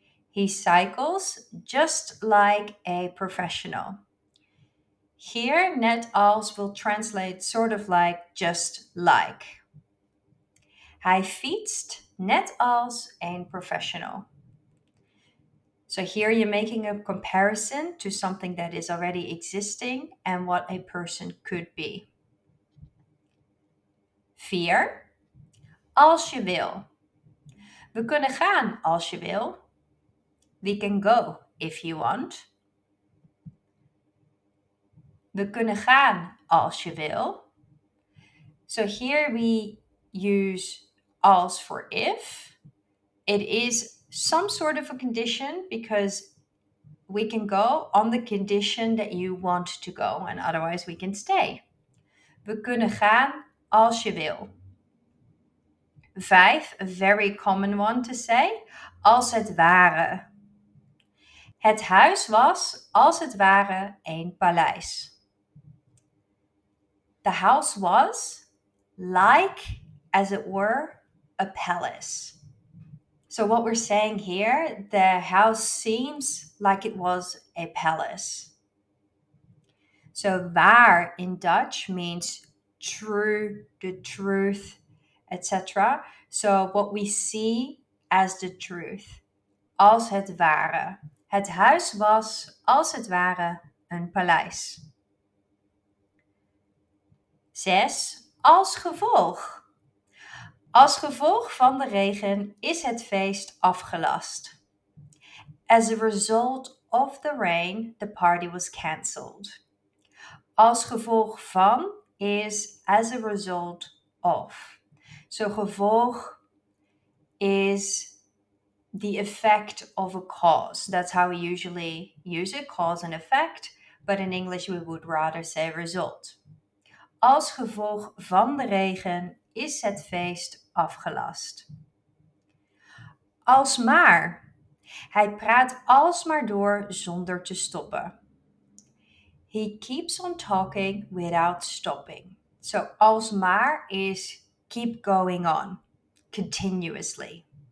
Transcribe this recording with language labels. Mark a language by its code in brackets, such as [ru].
[en] He cycles just like a professional. Here, net als will translate sort of like just like. [nl] Hij fietst net als een professional. [en] So here you're making a comparison to something that is already existing and what a person could be. [nl] Vier, als je wil. We kunnen gaan als je wil. [en] We can go if you want. [nl] We kunnen gaan als je wil. [en] So here we use als for if. It is some sort of a condition because we can go on the condition that you want to go and otherwise we can stay. [nl] We kunnen gaan als je wil. Vijf, [en] a very common one to say, [nl] als het ware. Het huis was als het ware een paleis. [en] The house was like, as it were, a palace. So what we're saying here, the house seems like it was a palace. So waar in Dutch means true, the truth, etc. So what we see as the truth. [nl] Als het ware. Het huis was, als het ware, een paleis. Zes, als gevolg. Als gevolg van de regen is het feest afgelast. [en] As a result of the rain, the party was cancelled. Als gevolg van is as a result of. So gevolg is the effect of a cause. That's how we usually use it, cause and effect. But in English we would rather say result. [nl] Als gevolg van de regen is het feest afgelast. Alsmaar. Hij praat alsmaar door zonder te stoppen. [en] He keeps on talking without stopping. So alsmaar is keep going on, continuously.